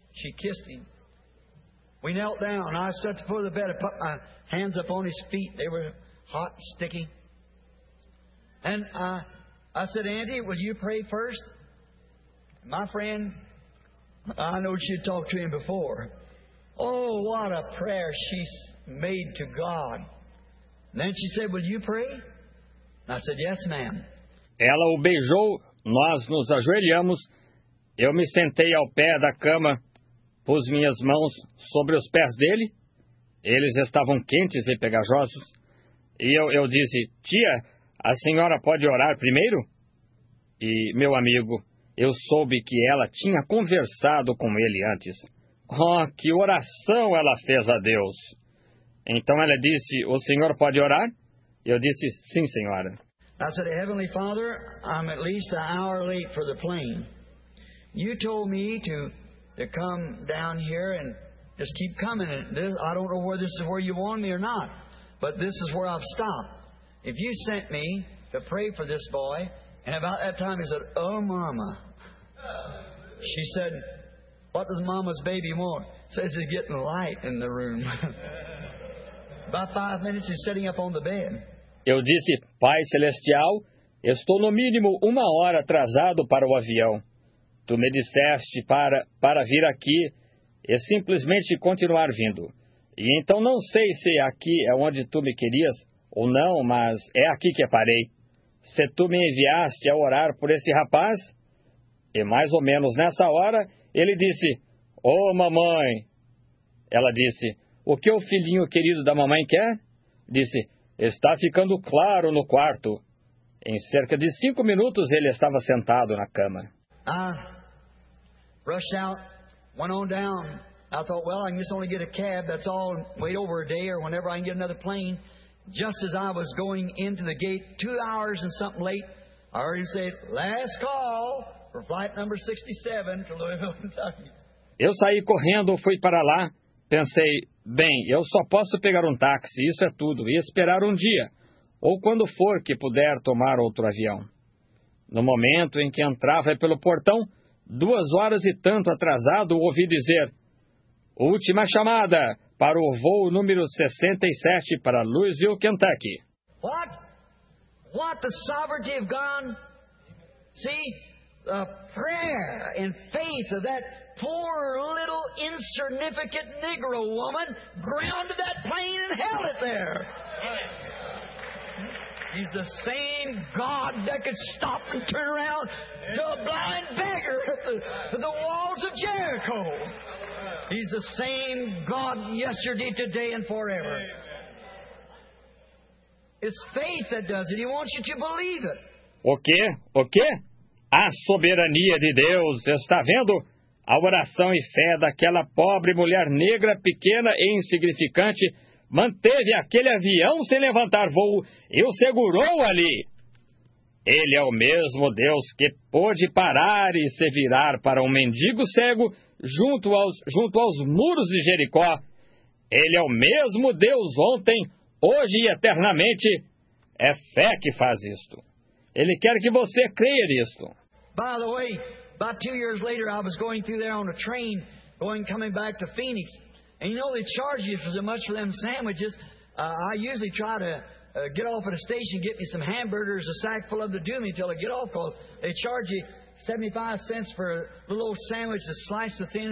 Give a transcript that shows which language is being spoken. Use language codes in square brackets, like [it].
[en] She kissed him. We knelt down. I sat at the foot of the bed. I put my hands up on his feet. They were hot and sticky. And I said, Andy, will you pray first? My friend, I know she'd talked to him before. Oh, what a prayer she's made to God. And then she said, will you pray? I said, yes, ma'am. [pt] Ela o beijou, nós nos ajoelhamos, eu me sentei ao pé da cama, pus minhas mãos sobre os pés dele, eles estavam quentes e pegajosos, e eu disse, tia, a senhora pode orar primeiro? E, meu amigo, eu soube que ela tinha conversado com ele antes. Oh, que oração ela fez a Deus! Então ela disse, o senhor pode orar? Eu disse, sim, senhora. [en] I said, Heavenly Father, I'm at least an hour late for the plane. You told me to come down here and just keep coming. This, I don't know whether this is where you want me or not, but this is where I've stopped. If you sent me to pray for this boy, and about that time he said, oh, Mama. She said, what does Mama's baby want? Says it's getting light in the room. About 5 minutes, he's sitting up on the bed. [pt] Eu disse, Pai Celestial, estou no mínimo uma hora atrasado para o avião. Tu me disseste para vir aqui e simplesmente continuar vindo. E então não sei se aqui é onde tu me querias ou não, mas é aqui que parei. Se tu me enviaste a orar por esse rapaz, e mais ou menos nessa hora, ele disse, oh, mamãe. Ela disse, o que o filhinho querido da mamãe quer? Disse, está ficando claro no quarto. Em cerca de 5 minutos, ele estava sentado na cama. [en] Ah, rushed out, went on down. I thought, well, I can just only get a cab, that's all, wait over a day or whenever I can get another plane. Just as I was going into the gate, 2 hours and something late, I already said, last call for flight number 67 to Louisville, Kentucky. [pt] Eu saí correndo, fui para lá, pensei, bem, eu só posso pegar um táxi, isso é tudo, e esperar um dia, ou quando for que puder tomar outro avião. No momento em que entrava pelo portão, 2 horas e tanto atrasado, ouvi dizer, última chamada para o voo número 67 para Louisville, Kentucky. [en] What? What the sovereignty of God? See, the prayer and faith of that poor little insignificant Negro woman grounded that plane and held it there. He's the same God that could stop and turn around to a blind beggar at the walls of Jericho. He's the same God yesterday, today, and forever. It's faith that does it. He wants you to believe it. [pt] O quê? O quê? A soberania de Deus, está vendo? A oração e fé daquela pobre mulher negra, pequena e insignificante, manteve aquele avião sem levantar voo e o segurou ali. Ele é o mesmo Deus que pôde parar e se virar para um mendigo cego junto aos muros de Jericó. Ele é o mesmo Deus ontem, hoje e eternamente. É fé que faz isto. Ele quer que você creia nisto. [en] By the way, about 2 years later, I was going through there on a train, coming back to Phoenix. And you know, they charge you for so much for them sandwiches. I usually try to get off at a station, get me some hamburgers, a sack full of the doomy until I get off, because they charge you 75 cents for a little old sandwich that's sliced thin.